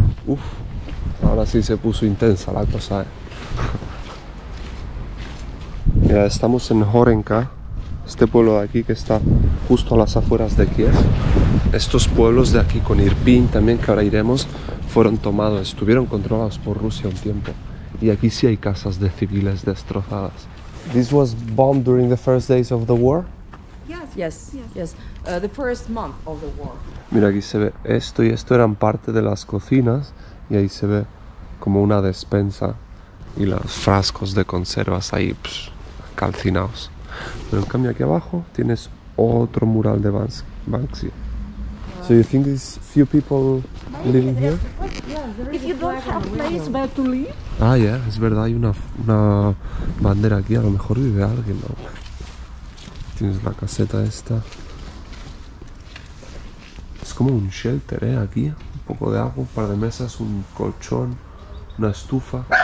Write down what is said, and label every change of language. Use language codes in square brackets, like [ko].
[es] Uf, ahora sí se puso intensa la cosa, Mira, estamos en Horenka, este pueblo de aquí que está justo a las afueras de Kiev. Estos pueblos de aquí, con Irpin también, que ahora iremos, fueron tomados, estuvieron controlados por Rusia un tiempo. Y aquí sí hay casas de civiles destrozadas. [en] This was bombed during the first days of the war? Yes. The first month of the war. [es] Mira, aquí se ve esto y esto eran parte de las cocinas. Y ahí se ve como una despensa y los frascos de conservas ahí, calcinados. Pero en cambio aquí abajo tienes otro mural de Banksy. [en] So you think these few people living here? If you don't have a place where to live? [es] Ah, yeah, es verdad, hay una bandera aquí, a lo mejor vive alguien, ¿no? Tienes la caseta esta. Es como un shelter, aquí. Un poco de agua, un par de mesas, un colchón, una estufa.